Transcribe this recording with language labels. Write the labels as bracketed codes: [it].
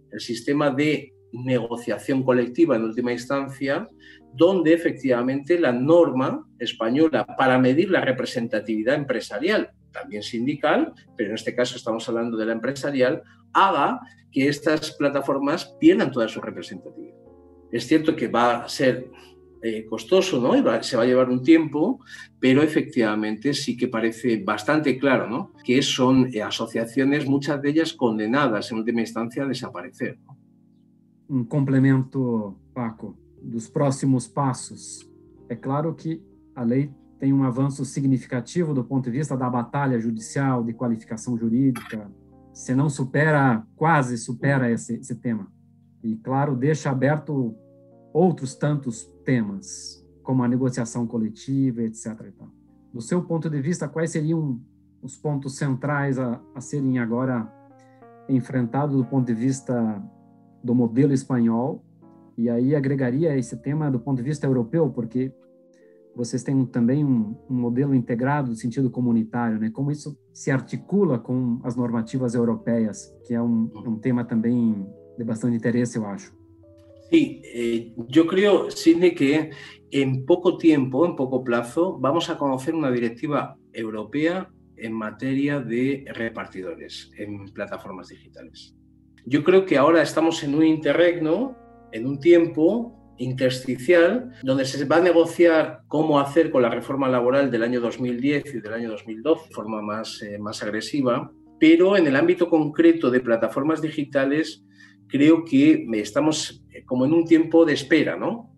[es] El sistema de negociación colectiva en última instancia, donde efectivamente la norma española para medir la representatividad empresarial, también sindical, pero en este caso estamos hablando de la empresarial, haga que estas plataformas pierdan toda su representatividad. Es cierto que va a ser costoso, ¿no? Y se va a llevar un tiempo, pero efectivamente sí que parece bastante claro, ¿no? Que son asociaciones, muchas de ellas condenadas en última instancia a desaparecer, ¿no? [pt] Um complemento, Paco, dos próximos passos. É claro que a lei tem um avanço significativo do ponto de vista da batalha judicial, de qualificação jurídica. Se não supera, quase supera esse tema. E, claro, deixa aberto outros tantos temas, como a negociação coletiva, etc. Então, do seu ponto de vista, quais seriam os pontos centrais a serem agora enfrentados do ponto de vista do modelo espanhol, e aí agregaria esse tema do ponto de vista europeu, porque vocês têm também um modelo integrado no sentido comunitário, né? Como isso se articula com as normativas europeias, que é um tema também de bastante interesse, eu acho. Sim, eu creio, Sidney, que em pouco tempo, em pouco plazo, vamos a conhecer uma directiva europeia em matéria de repartidores, em plataformas digitais. [es] Yo creo que ahora estamos en un interregno, en un tiempo intersticial, donde se va a negociar cómo hacer con la reforma laboral del año 2010 y del año 2012 de forma más agresiva, pero en el ámbito concreto de plataformas digitales creo que estamos como en un tiempo de espera, ¿no?